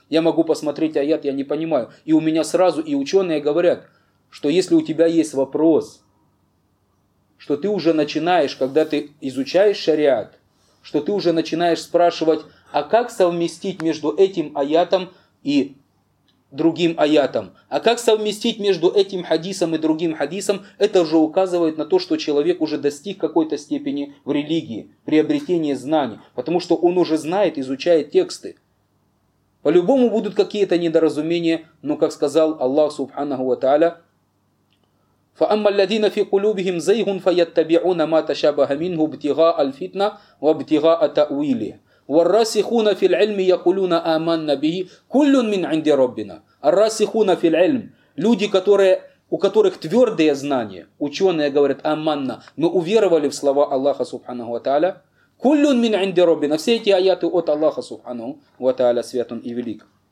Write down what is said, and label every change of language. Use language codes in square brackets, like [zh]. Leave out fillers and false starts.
[ru] Я могу посмотреть аят, я не понимаю. И у меня сразу, и ученые говорят, что если у тебя есть вопрос, что ты уже начинаешь, когда ты изучаешь шариат, что ты уже начинаешь спрашивать, а как совместить между этим аятом и другим аятом? А как совместить между этим хадисом и другим хадисом? Это уже указывает на то, что человек уже достиг какой-то степени в религии, приобретения знаний. Потому что он уже знает, изучает тексты. По-любому будут какие-то недоразумения, но, как сказал Аллах Субханаху ва Тааля, [ar] فَأَمَّا الَّذِينَ فِي قُلُوبِهِمْ زَيْغٌ فَيَتَّبِعُونَ مَا تَشَابَهَ مِنْهُ ابْتِغَاءَ الْفِتْنَةِ وَابْتِغَاءَ تَأْوِيلِهِ وَالرَّاسِخُونَ فِي الْعِلْمِ يَقُولُونَ آمَنَّا بِهِ كُلٌّ مِنْ عِنْدِ رَبِّنَا. الرَّاسِخُونَ فِي الْعِلْمِ, [ru] люди, которые, у которых твердые знания, ученые говорят аманна, мы уверовали в слова Аллаха Субханаху ва Тааля. [ar] كُلٌّ مِنْ عِنْدِ رَبِّنَا, [ru] все эти аяты от Аллаха Субханаху ва Тааля, свят он и велик.